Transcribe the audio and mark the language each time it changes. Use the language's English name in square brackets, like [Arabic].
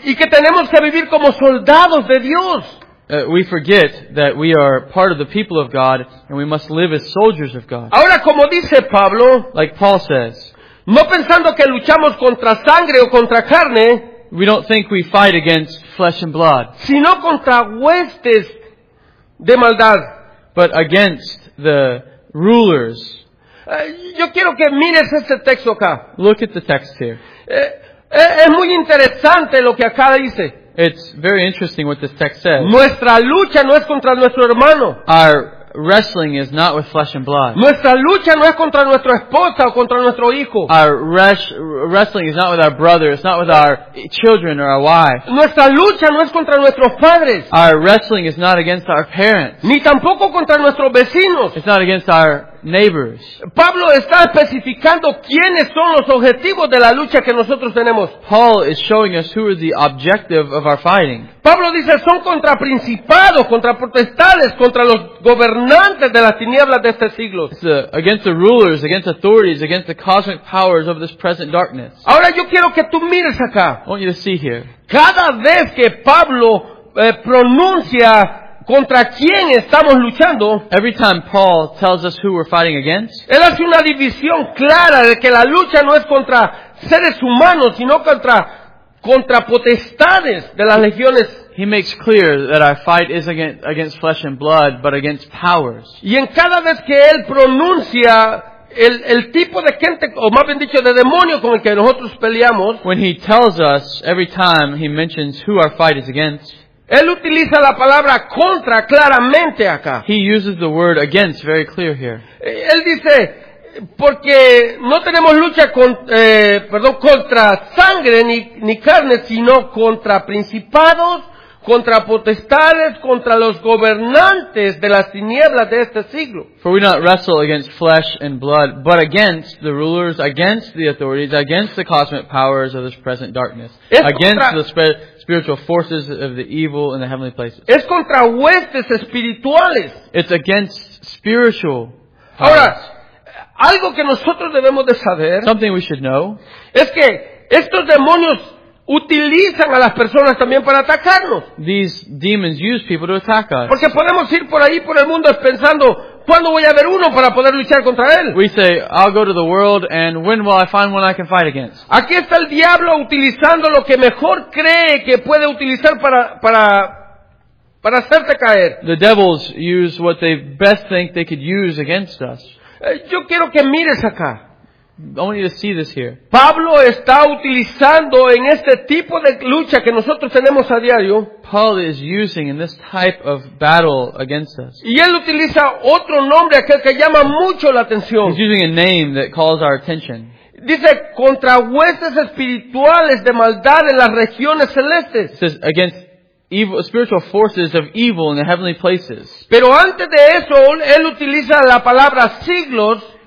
[Spanish] Y que tenemos que vivir como soldados de Dios. [English] We forget that we are part of the people of God and we must live as soldiers of God. [Spanish] Ahora, como dice Pablo, [English] like Paul says, [Spanish] no pensando que luchamos contra sangre o contra carne, [English] we don't think we fight against flesh and blood, [Spanish] sino contra huestes de maldad, [English] but against the rulers. [Spanish] Yo quiero que mires este texto acá. [English] Look at the text here. [Spanish] Es muy interesante lo que acá dice. [English] It's very interesting what this text says. [Spanish] Nuestra lucha no es contra nuestro hermano. [English] Our wrestling is not with flesh and blood. [Spanish] Nuestra lucha no es contra nuestra esposa o contra nuestro hijo. [English] Our wrestling is not with our brother, it's not with our children or our wife. [Spanish] Nuestra lucha no es contra nuestros padres. [English] Our wrestling is not against our parents. [Spanish] Ni tampoco contra nuestros vecinos. [English] It's not against our neighbors. [Spanish] Pablo está especificando quiénes son los objetivos de la lucha que nosotros tenemos. [English] Paul is showing us who is the objective of our fighting. [Spanish] Pablo dice son contra principados, contra potestades, contra los gobernantes de las tinieblas de este siglo. [English] It's against the rulers, against authorities, against the cosmic powers of this present darkness. [Spanish] Ahora yo quiero que tú mires acá. [English] I want you to see here. [Spanish] Cada vez que Pablo pronuncia contra quién estamos luchando, [English] every time Paul tells us who we're fighting against, [Spanish] él hace una división clara de que la lucha no es contra seres humanos, sino contra potestades de las legiones. [English] He makes clear that our fight is against flesh and blood, but against powers. [Spanish] Y en cada vez que él pronuncia el tipo de gente, o más bien dicho, de demonio con el que nosotros peleamos, [English] when he tells us, every time he mentions who our fight is against, [Spanish] él utiliza la palabra contra claramente acá. [English] He uses the word against very clear here. [Spanish] Él dice, porque no tenemos lucha contra sangre ni carne, sino contra principados, contra potestades, contra los gobernantes de las tinieblas de este siglo. [English] For we do not wrestle against flesh and blood, but against the rulers, against the authorities, against the cosmic powers of this present darkness, against the spiritual forces of the evil in the heavenly places. [Spanish] Es contra huestes espirituales. [English] It's against spiritual powers. [Spanish] Ahora, algo que nosotros debemos de saber, [English] something we should know, [Spanish] es que estos demonios utilizan a las personas también para atacarnos. [English] These demons use people to attack us. [Spanish] Porque podemos ir por ahí por el mundo pensando, ¿cuándo voy a ver uno para poder luchar contra él? [English] We say, I'll go to the world and when will I find one I can fight against? [Spanish] Aquí está el diablo utilizando lo que mejor cree que puede utilizar para hacerte caer. [English] The devils use what they best think they could use against us. [Spanish] Yo quiero que mires acá. [English] I want you to see this here. [Spanish] Pablo está utilizando en este tipo de lucha que nosotros tenemos a diario. [English] Paul is using in this type of battle against us. [Spanish] Y él utiliza otro nombre, aquel que llama mucho la atención. [English] He's using a name that calls our attention. [Spanish] Dice contra huestes espirituales de maldad en las regiones celestes. [English] It says against evil, spiritual forces of evil in the heavenly places. [Spanish] Pero antes de eso, él utiliza la palabra siglos.